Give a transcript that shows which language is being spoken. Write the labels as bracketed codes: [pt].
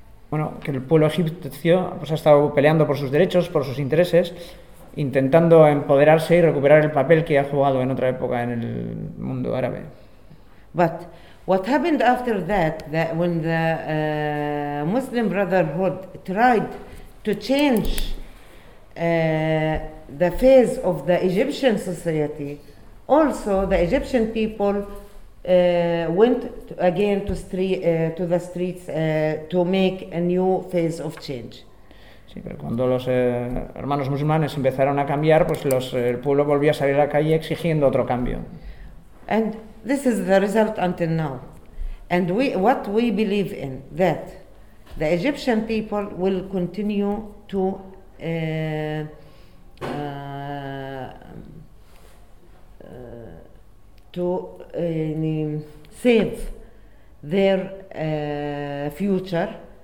[es] Bueno, que el pueblo egipcio pues ha estado peleando por sus derechos, por sus intereses, intentando empoderarse y recuperar el papel que ha jugado en otra época en el mundo árabe. [en] But what happened after that, that when the Muslim Brotherhood tried to change the face of the Egyptian society, also the Egyptian people went to, again to, to the streets to make a new phase of change. [es] Sí, pero cuando los hermanos musulmanes empezaron a cambiar, pues el pueblo volvió a salir a la calle exigiendo otro cambio. [en] And this is the result until now. And what we believe in, that the Egyptian people will continue to save their future.